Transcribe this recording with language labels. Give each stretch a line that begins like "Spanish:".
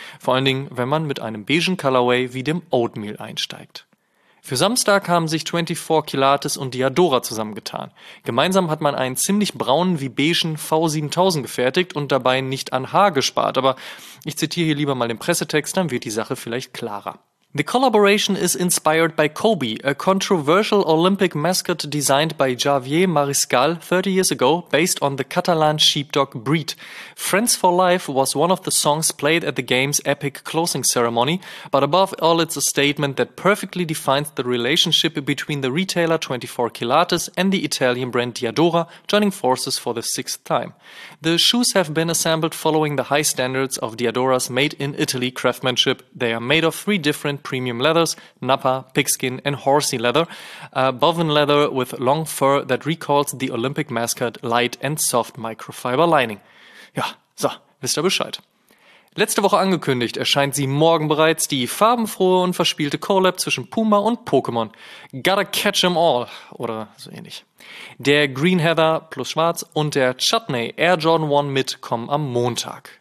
German: Vor allen Dingen, wenn man mit einem beigen Colorway wie dem Oatmeal einsteigt. Für Samstag haben sich 24 Kilates und Diadora zusammengetan. Gemeinsam hat man einen ziemlich braunen wie beigen V7000 gefertigt und dabei nicht an Haar gespart, aber ich zitiere hier lieber mal den Pressetext, dann wird die Sache vielleicht klarer.
English: The collaboration is inspired by Kobe, a controversial Olympic mascot designed by Javier Mariscal 30 years ago based on the Catalan sheepdog breed. Friends for Life was one of the songs played at the game's epic closing ceremony, but above all it's a statement that perfectly defines the relationship between the retailer 24 Kilates and the Italian brand Diadora, joining forces for the sixth time. The shoes have been assembled following the high standards of Diadora's made in Italy craftsmanship. They are made of 3 different premium leathers, Napa, pigskin and horsey leather, a bovine leather with long fur that recalls the Olympic mascot light and soft microfiber lining.
German: Ja, so, wisst ihr Bescheid. Letzte Woche angekündigt, erscheint sie morgen bereits, die farbenfrohe und verspielte Collab zwischen Puma und Pokémon.
English: Gotta catch 'em all,
German: oder so ähnlich. Der Green Heather plus Schwarz und der Chutney Air Jordan 1 mit kommen am Montag.